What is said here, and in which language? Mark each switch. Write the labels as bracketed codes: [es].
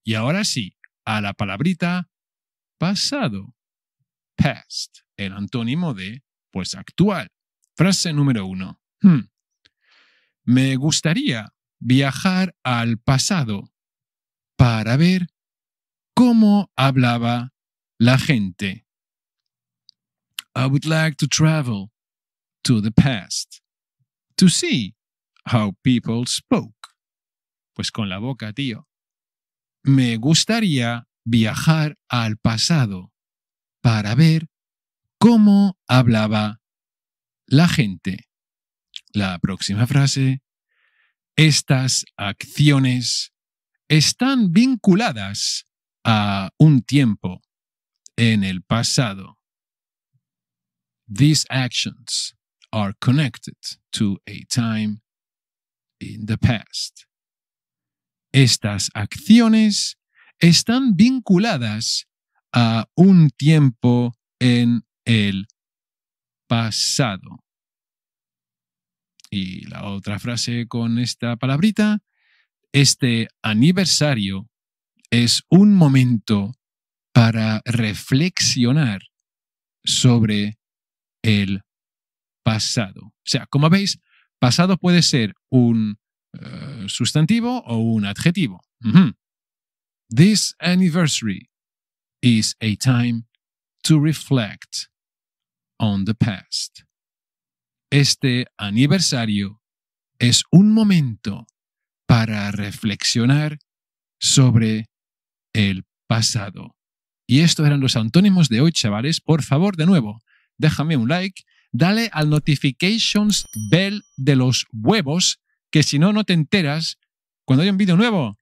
[es] Y ahora sí, a la palabrita pasado. Past. El antónimo de, pues, actual. Frase número uno. Me gustaría viajar al pasado para ver cómo hablaba la gente. [en] I would like to travel to the past to see how people spoke. [es] Pues con la boca, tío. Me gustaría viajar al pasado para ver cómo hablaba la gente. La próxima frase. Estas acciones están vinculadas a un tiempo en el pasado. [en] These actions are connected to a time in the past. [es] Estas acciones están vinculadas a un tiempo en el pasado. Y la otra frase con esta palabrita, este aniversario es un momento para reflexionar sobre el pasado. O sea, como veis, pasado puede ser un sustantivo o un adjetivo. [en] This anniversary is a time to reflect on the past. [es] Este aniversario es un momento para reflexionar sobre el pasado. Y estos eran los antónimos de hoy, chavales. Por favor, de nuevo, déjame un like, dale al notifications bell de los huevos, que si no, no te enteras cuando hay un vídeo nuevo.